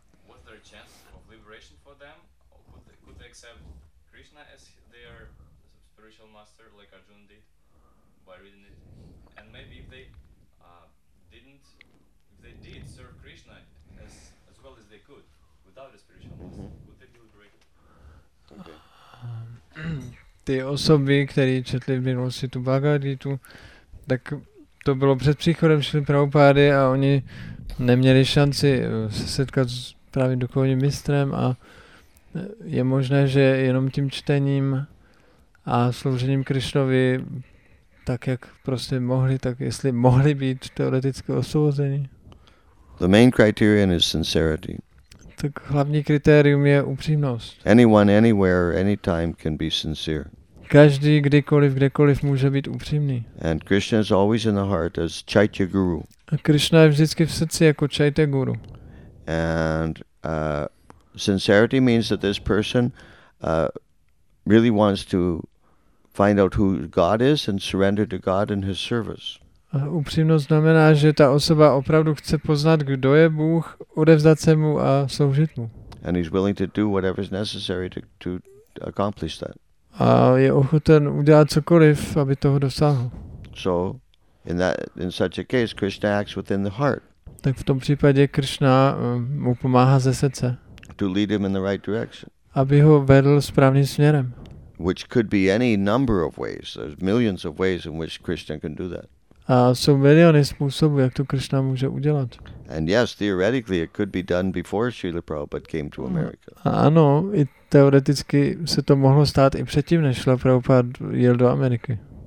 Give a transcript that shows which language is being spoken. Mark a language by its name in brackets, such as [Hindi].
[English] Was there a chance of liberation for them? Or could they accept Krishna as their spiritual master, like Arjuna did, by reading it? And maybe if they did serve Krishna as well as they could without a spiritual master, mm-hmm. would they be liberated? [Czech] Ty osoby, které četli v minulosti tu Bhagavad Gita, tak to bylo před příchodem Šrily Prabhupády a oni neměli šanci se setkat s právě duchovním mistrem a je možné, že jenom tím čtením a sloužením Krišnovi, tak jak prostě mohli, tak jestli mohli být teoreticky osvobozeni. [English] The main criterion is sincerity. [Czech] Tak hlavní kritérium je upřímnost. [English] Anyone, anywhere, anytime can be sincere. [Czech] Každý kdykoliv, kdekoliv může být upřímný. [English] And Krishna is always in the heart as Chaitya Guru. [Czech] A Krishna je vždycky v srdci jako Chaitya Guru. [English] And sincerity means that this person really wants to find out who God is and surrender to God in his service. [Czech] A upřímnost znamená, že ta osoba opravdu chce poznat, kdo je Bůh, odevzdat se mu a sloužit mu. [English] And he's willing to do whatever is necessary to accomplish that. [Czech] A je ochoten udělat cokoliv, aby toho dosáhl. [English] So in such a case Krishna acts within the heart. [Czech] Tak v tom případě Krishna mu pomáhá ze srdce. [English] To lead him in the right direction. [Czech] Aby ho vedl správným směrem. [English] Which could be any number of ways. There's millions of ways in which Krishna can do that. [Czech] A jsou miliony způsobů, jak to Krishna může udělat. [English] And yes, theoretically it could be done before Srila Prabhupada came to America. [Czech] A ano, i teoreticky se to mohlo stát i předtím, než Srila Prabhupada jel do Ameriky.